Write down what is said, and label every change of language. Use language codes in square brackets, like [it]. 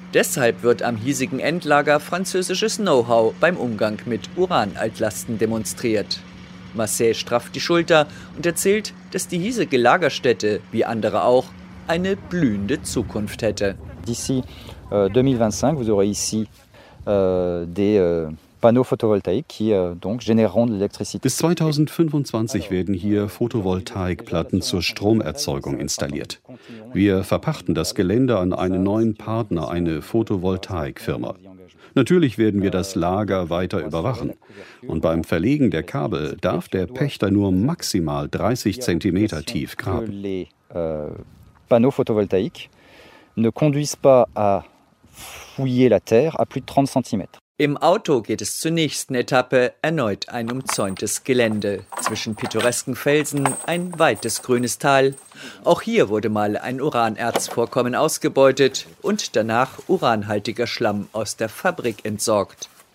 [de] Deshalb wird am hiesigen Endlager französisches Know-how beim Umgang mit Uranaltlasten demonstriert. Massé strafft die Schulter und erzählt, dass die hiesige Lagerstätte, wie andere auch, eine blühende Zukunft hätte. [fr] D'ici 2025, vous aurez ici des Panneaux photovoltaïques, [de] die [fr] donc générieren de l'électricité. [de] Bis 2025 werden hier Photovoltaikplatten zur Stromerzeugung installiert. Wir verpachten das Gelände an einen neuen Partner, eine Photovoltaikfirma. Natürlich werden wir das Lager weiter überwachen. Und beim Verlegen der Kabel darf der Pächter nur maximal 30 cm tief graben. [fr] Les panneaux photovoltaïques ne conduisent pas à fouiller la terre à plus de 30 cm. [de] Im Auto geht es zur nächsten Etappe, erneut ein umzäuntes Gelände. Zwischen pittoresken Felsen ein weites grünes Tal. Auch hier wurde mal ein Uranerzvorkommen ausgebeutet und danach uranhaltiger Schlamm aus der Fabrik entsorgt.